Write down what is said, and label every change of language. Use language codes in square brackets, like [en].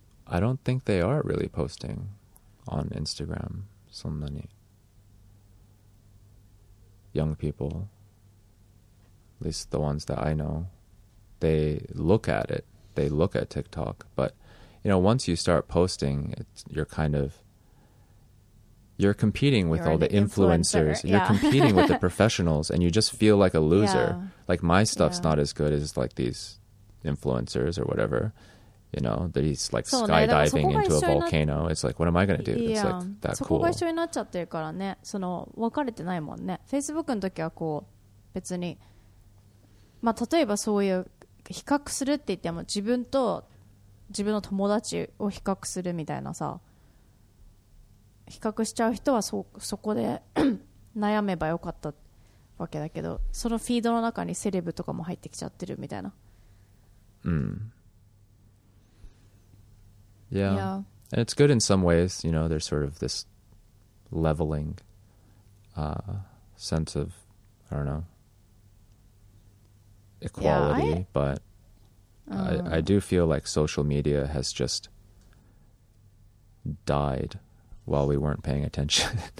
[en] I don't think they are really posting on Instagram, so many young people, at least the ones that I know, they look at it, they look at TikTok, but, you know, once you start posting, you're kind of, you're competing with all the influencers, you're competing with the professionals, and you just feel like a loser. Yeah. Like, my stuff's not as good as, like, these influencers or whatever. You know, that he's, like, skydiving into a volcano. It's like, what am I going to do? It's, like, that cool. [ja] そこが一緒になっちゃってるからね。その、分かれてないもんね。 Facebook の時はこう、別に、まあ、例えばそういう、比較するって言っても、自分と自分の友達を比較するみたいなさ、比較しちゃう人はそこで悩めばよかったって。わけだけど、そのフィードの中にセレブとかも入ってきちゃってるみたいな。 [en] Yeah. And it's good in some ways, you know, there's sort of this leveling, sense of, I don't know, equality, yeah, but I do feel like social media has just died while we weren't paying attention.